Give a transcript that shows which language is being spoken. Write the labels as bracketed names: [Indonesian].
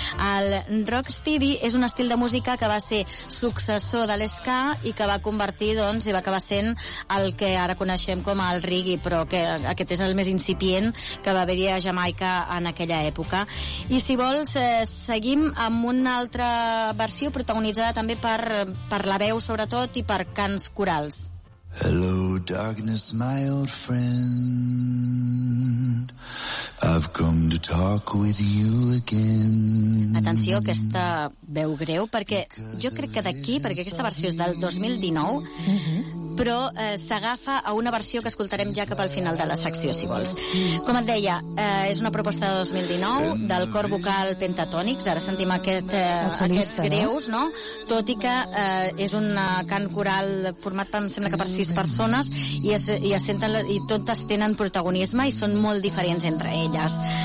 [Catalan] El rocksteady és un estil de música que va ser successor de l'ska i que va convertir, doncs, i va acabar sent el que ara coneixem com el reggae, però que aquest és el més incipient que va haver-hi a Jamaica en aquella època. I si vols, seguim amb una altra versió protagonitzada també per la veu, sobretot, i per cants corals. [English] Hello darkness, my old friend, I've come to talk with you again. [Catalan] Atenció a aquesta veu greu, perquè jo crec que d'aquí, perquè aquesta versió és del 2019, però s'agafa a una versió que escoltarem ja cap al final de la secció, si vols. Com et deia, és una proposta de 2019 del cor vocal Pentatonics. Ara sentim aquests greus, no? Tot i que és un cant coral format, em sembla que per 6 persones, i totes tenen protagonisme i són molt diferents entre elles.